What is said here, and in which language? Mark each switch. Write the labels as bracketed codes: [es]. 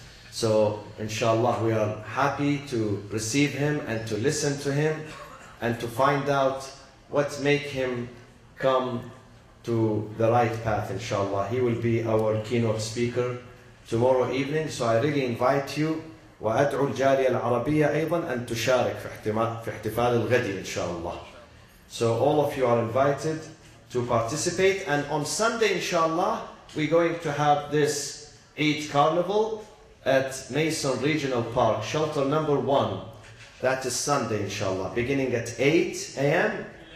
[en] So, inshallah, we are happy to receive him and to listen to him and to find out what make him come to the right path, inshallah. He will be our keynote speaker tomorrow evening. So I really invite you, [ar] وَأَدْعُوا الْجَارِيَ الْعَرَبِيَّ أَيْضًا أَن تُشَارِكْ فِي احْتِفَالِ الْغَدِي, inshallah. [en] So all of you are invited to participate. And on Sunday, inshallah, we're going to have this Eid carnival at Mason Regional Park, shelter number 1. That is Sunday, inshallah, beginning at 8 a.m.